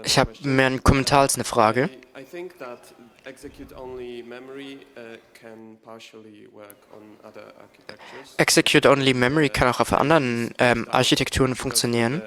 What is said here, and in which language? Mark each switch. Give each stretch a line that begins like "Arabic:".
German: Ich habe mehr einen Kommentar als eine Frage.
English: I think that execute-only memory can partially work on other architectures.
German: Execute-only memory kann auch auf anderen Architekturen funktionieren.